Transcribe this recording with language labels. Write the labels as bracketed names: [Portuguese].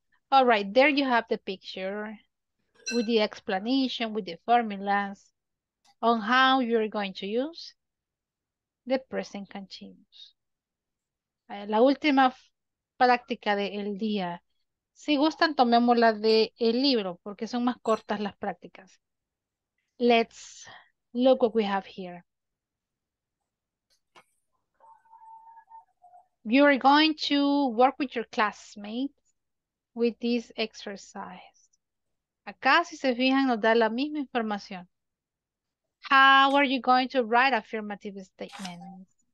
[English] All right, there you have the picture with the explanation, with the formulas on how you're going to use the present continuous. [Spanish] La última práctica del día. Si gustan, tomemos la del libro porque son más cortas las prácticas. [English] Let's look what we have here. You are going to work with your classmates with this exercise. [Spanish] Acá, si se fijan, nos da la misma información. [English] How are you going to write affirmative statements?